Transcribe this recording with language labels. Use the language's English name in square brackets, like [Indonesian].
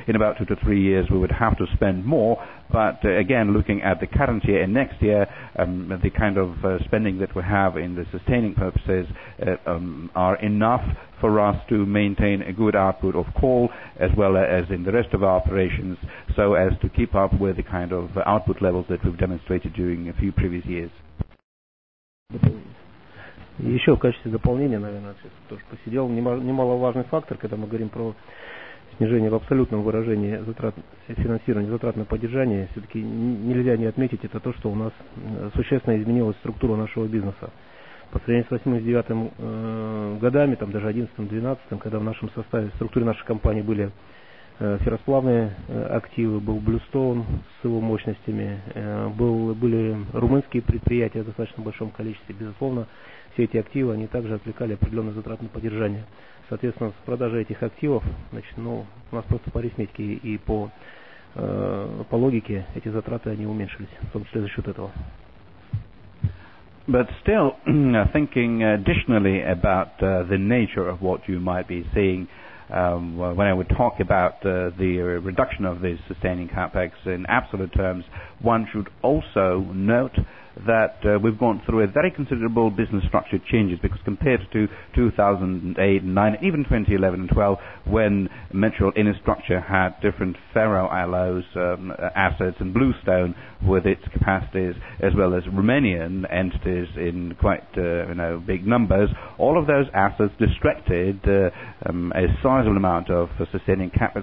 [English] In about 2 to 3 years, we would have to spend more. But again, looking at the current year and next year, the kind of spending that we have in the sustaining purposes are enough for us to maintain a good output of coal as well as in the rest of our operations, so as to keep up with the kind of output levels that we've demonstrated during a few previous years. [Russian] Еще в качестве дополнения, наверное, тоже посидел, немаловажный фактор, когда мы говорим про снижение в абсолютном выражении затрат, финансирования затрат на поддержание, все-таки нельзя не отметить, это то, что у нас существенно изменилась структура нашего бизнеса. По сравнению с 8-9 годами, там даже 11-12, когда в нашем составе, в структуре нашей компании были ферросплавные активы, был Bluestone с его мощностями, были румынские предприятия в достаточно большом количестве. Безусловно, все эти активы, они также отвлекали определенные затраты на поддержание. Соответственно, с продажей этих активов, значит, ну, у нас просто по арифметике и по логике эти затраты, они уменьшились, в том числе за счет этого. [English] But still, thinking additionally about the nature of what you might be seeing, when I would talk about the reduction of the sustaining capex in absolute terms, one should also note that we've gone through a very considerable business structure changes, because compared to 2008 and 2009, and even 2011 and 12, when Metro in its structure had different ferroalloys assets and Bluestone with its capacities, as well as Romanian entities in quite big numbers, all of those assets distracted a sizable amount of sustaining capital.